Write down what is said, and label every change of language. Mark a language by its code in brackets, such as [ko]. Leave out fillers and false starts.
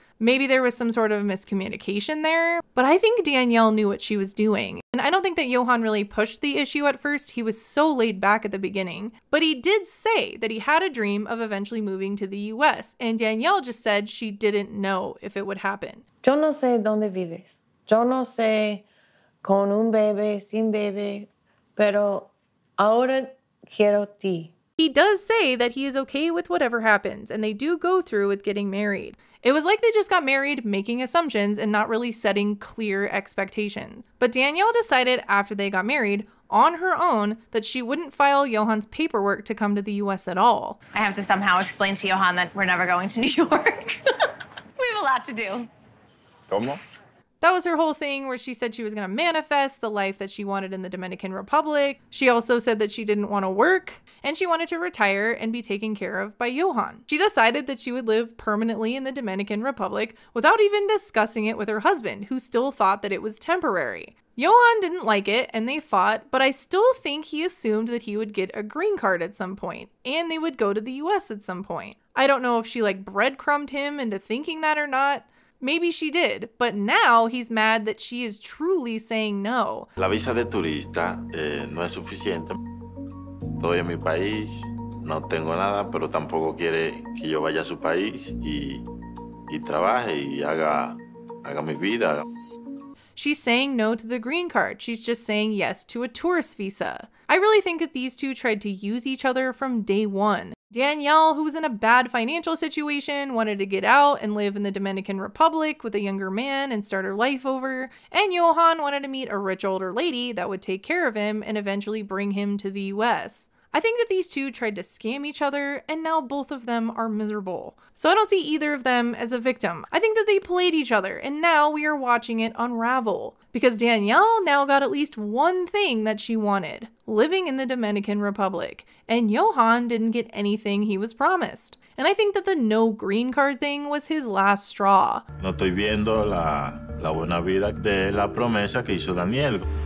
[en] Maybe there was some sort of miscommunication there, but I think Danielle knew what she was doing. And I don't think that Johan really pushed the issue at first. He was so laid back at the beginning, but he did say that he had a dream of eventually moving to the US, and Danielle just said she didn't know if it would happen. [es] Yo no sé dónde vives. Yo no sé con un bebé, sin bebé, pero ahora quiero ti. [en] He does say that he is okay with whatever happens, and they do go through with getting married. It was like they just got married making assumptions and not really setting clear expectations. But Danielle decided after they got married, on her own, that she wouldn't file Johan's paperwork to come to the US at all. I have to somehow explain to Johan that we're never going to New York. We have a lot to do. [es] ¿Cómo? [en] That was her whole thing where she said she was going to manifest the life that she wanted in the Dominican Republic. She also said that she didn't want to work and she wanted to retire and be taken care of by Johan. She decided that she would live permanently in the Dominican Republic without even discussing it with her husband, who still thought that it was temporary. Johan didn't like it and they fought, but I still think he assumed that he would get a green card at some point and they would go to the US at some point. I don't know if she like breadcrumbed him into thinking that or not. Maybe she did, but now he's mad that she is truly saying no. [es] La visa de turista no es suficiente. Estoy en mi país, no tengo nada, pero tampoco quiere que yo vaya a su país y trabaje y haga mi vida. [en] She's saying no to the green card. She's just saying yes to a tourist visa. I really think that these two tried to use each other from day one. Danielle, who was in a bad financial situation, wanted to get out and live in the Dominican Republic with a younger man and start her life over. And Johan wanted to meet a rich older lady that would take care of him and eventually bring him to the US. I think that these two tried to scam each other, and now both of them are miserable. So I don't see either of them as a victim. I think that they played each other, and now we are watching it unravel. Because Danielle now got at least one thing that she wanted, living in the Dominican Republic, and Johan didn't get anything he was promised. And I think that the no green card thing was his last straw. [es] No estoy viendo la buena vida de la promesa que hizo Daniel.